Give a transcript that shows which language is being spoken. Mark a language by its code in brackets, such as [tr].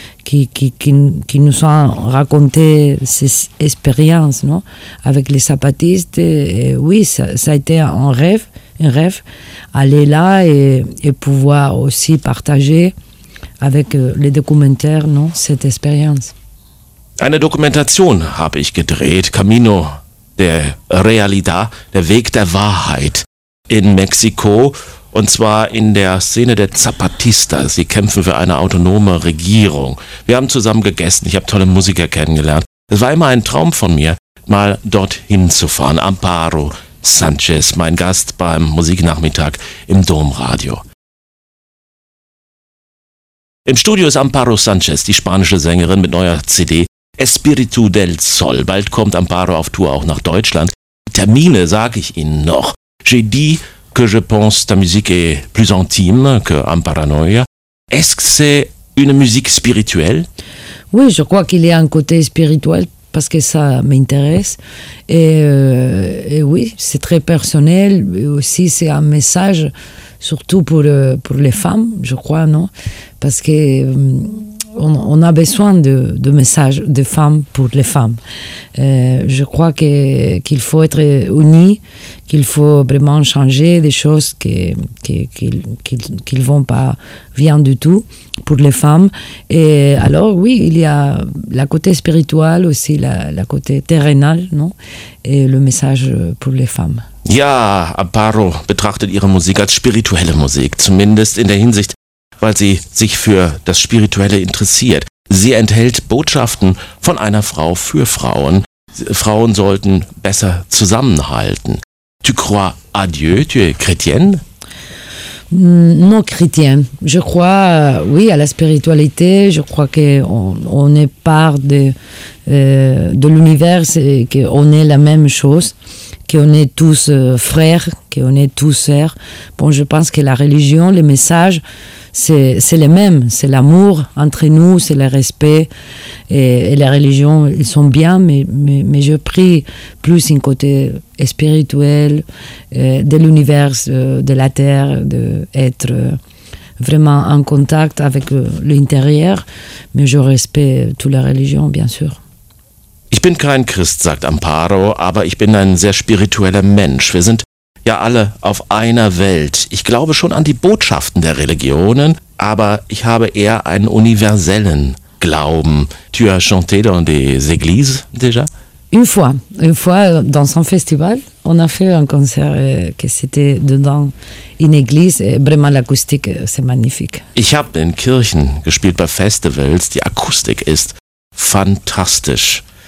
[fr] qui nous ont raconté ces expériences, non, avec les zapatistes. Et oui, ça, ça a été un rêve, aller là et pouvoir aussi partager avec les documentaires, non, cette expérience. [de] Eine Dokumentation habe ich gedreht, Camino de Realidad, der Weg der Wahrheit in Mexiko, und zwar in der Szene der Zapatistas. Sie kämpfen für eine autonome Regierung. Wir haben zusammen gegessen, ich habe tolle Musiker kennengelernt. Es war immer ein Traum von mir, mal dorthin zu fahren. Amparo Sanchez, mein Gast beim Musiknachmittag im Domradio. Im Studio ist Amparo Sanchez, die spanische Sängerin mit neuer CD Espíritu del Sol. Bald kommt Amparo auf Tour auch nach Deutschland. Termine sage ich Ihnen noch. [fr] J'ai dit que je pense ta musique est plus intime que Amparanoia. Est-ce que c'est une musique spirituelle? Oui, je crois qu'il y a un côté spirituel parce que ça m'intéresse. Et oui, c'est très personnel. Et aussi, c'est un message, surtout pour les femmes, je crois, non? Parce que... On a besoin de messages de femmes pour les femmes. Je crois qu'il faut être unis, qu'il faut vraiment changer des choses qui ne vont pas bien du tout pour les femmes. Et alors oui, il y a la côté spirituel aussi, la côté terrenal, non? Et le message pour les femmes. [de] Ja, Amparo betrachtet ihre Musik als spirituelle Musik, zumindest in der Hinsicht, weil sie sich für das Spirituelle interessiert. Sie enthält Botschaften von einer Frau für Frauen. Frauen sollten besser zusammenhalten. [fr] Tu crois à Dieu? Tu es chrétienne? Non, chrétienne. Je crois, oui, à la spiritualité. Je crois qu'on est part de l'univers et qu'on est la même chose, qu'on est tous frères, qu'on est tous sœurs. Bon, je pense que la religion, les messages, c'est les mêmes. C'est l'amour entre nous, c'est le respect. Et les religions, ils sont bien, mais je prie plus un côté spirituel de l'univers, de la terre, d'être vraiment en contact avec l'intérieur. Mais je respecte toutes les religions, bien sûr. [de] Ich bin kein Christ, sagt Amparo, aber ich bin ein sehr spiritueller Mensch. Wir sind ja alle auf einer Welt. Ich glaube schon an die Botschaften der Religionen, aber ich habe eher einen universellen Glauben. [fr] Tu as chanté dans des églises déjà? Une fois dans un festival, on a fait un concert que c'était dans une église, et vraiment l'acoustique, c'est magnifique. [de] Ich habe in Kirchen gespielt bei Festivals, die Akustik ist fantastisch.